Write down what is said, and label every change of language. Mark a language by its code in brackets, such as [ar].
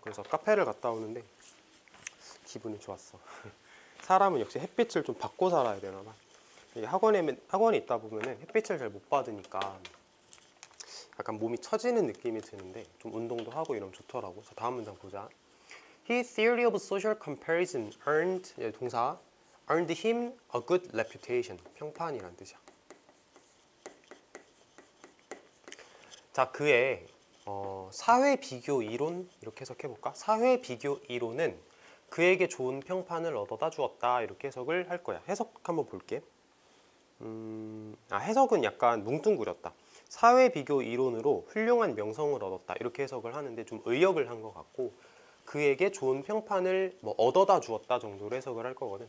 [ko] 그래서 카페를 갔다 오는데 기분이 좋았어. 사람은 역시 햇빛을 좀 받고 살아야 되나봐. 학원에 있다 보면은 햇빛을 잘 못 받으니까 약간 몸이 처지는 느낌이 드는데 좀 운동도 하고 이러면 좋더라고. 자, 다음 문장 보자. [en] His theory of social comparison earned, [ko] 예, 동사 [en] earned him a good reputation. [ko] 평판이란 뜻이야. 자, 그의 사회 비교 이론 이렇게 해석해 볼까? 사회 비교 이론은 그에게 좋은 평판을 얻어다 주었다 이렇게 해석을 할 거야. 해석 한번 볼게. 해석은 약간 뭉뚱그렸다. 사회 비교 이론으로 훌륭한 명성을 얻었다 이렇게 해석을 하는데 좀 의역을 한 것 같고 그에게 좋은 평판을 뭐 얻어다 주었다 정도로 해석을 할 거거든.